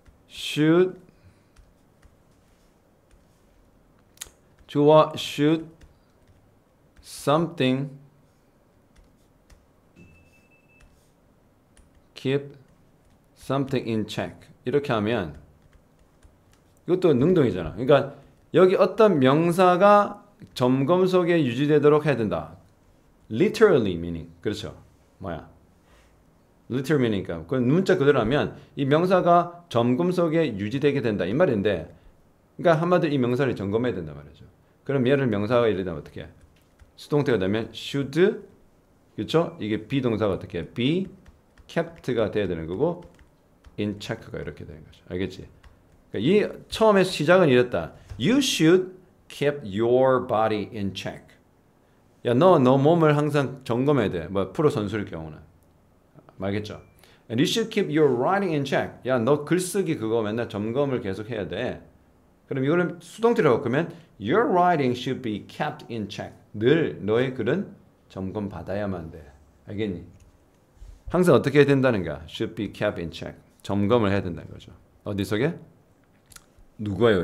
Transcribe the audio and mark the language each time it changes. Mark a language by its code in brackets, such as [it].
[en] Should 주어 should something keep something in check. [ko] 이렇게 하면 이것도 능동이잖아. 그러니까 여기 어떤 명사가 점검 속에 유지되도록 해야 된다. [en] Literally meaning. 그렇죠. 뭐야? Literally meaning. [ko] 그 문자 그대로 하면 이 명사가 점검 속에 유지되게 된다. 이 말인데, 그러니까 한마디로 이 명사를 점검해야 된단 말이죠. 그럼 얘를 명사가 이러다 어떻게 해? 수동태가 되면 should. 그렇죠? 이게 be 동사가 어떻게 해? be kept가 돼야 되는 거고 in check가 이렇게 되는 거죠. 알겠지? 이 처음에 시작은 이랬다. [en] You should keep your body in check. [ko] 야, 너 몸을 항상 점검해야 돼. 뭐 프로 선수일 경우는. 알겠죠? [en] And you should keep your writing in check. [ko] 야, 너 글쓰기 그거 맨날 점검을 계속 해야 돼. 그럼 이거는 수동태라고 그러면 [en] your writing should be kept in check. [ko] 늘 너의 글은 점검 받아야만 돼. 알겠니? 항상 어떻게 해야 된다는가? [en] Should be kept in check. [ko] 점검을 해야 된다는 거죠. 어디서게? 누구예요?